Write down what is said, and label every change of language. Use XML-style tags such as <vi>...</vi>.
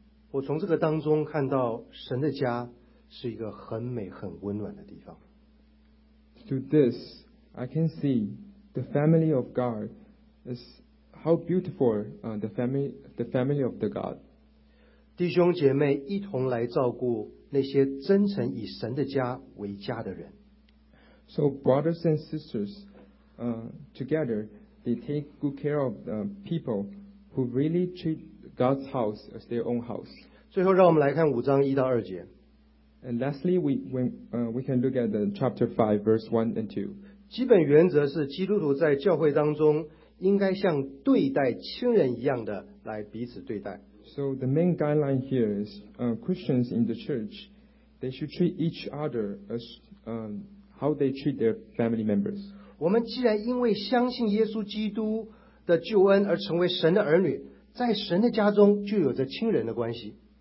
<zh>我从这个当中看到神的家是一个很美很温暖的地方。</zh> <en>Through this, I can see the family of God is how beautiful the family of the God.</en> <zh>弟兄姐妹一同来照顾那些真诚以神的家为家的人。</zh> <en>So brothers and sisters, together they take good care of people who really treat. God's house is their own house.</en> <zh>最后让我们来看五章一到二节。</zh> <en>And lastly, we can look at the chapter 5, verse 1 and 2.</en> <zh>基本原则是基督徒在教会当中应该像对待亲人一样的来彼此对待。</zh> <en>So the main guideline here is Christians in the church, they should treat each other as how they treat their family members.</en> <zh>我们既然因为相信耶稣基督的救恩而成为神的儿女，在神的家中就有着亲人的关系。</zh>